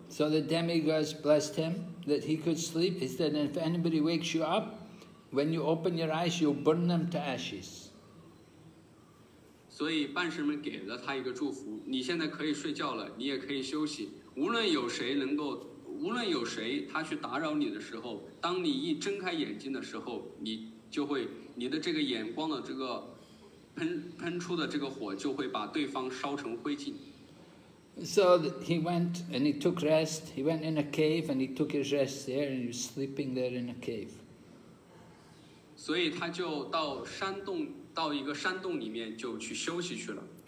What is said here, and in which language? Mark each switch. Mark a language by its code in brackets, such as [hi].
[en] So the demigods blessed him that he could sleep. He said, "If anybody wakes you up, when you open your eyes, you'll burn them to ashes." [zh] 所以半神们给了他一个祝福，你现在可以睡觉了，你也可以休息，无论有谁他去打扰你的时候，当你一睁开眼睛的时候，你的这个眼光的这个喷出的这个火就会把对方烧成灰烬。 [en] So he went and he took rest. He went in a cave and he took his rest there, and he was sleeping there in a cave. [zh] 所以他就到一个山洞里面就去休息去了。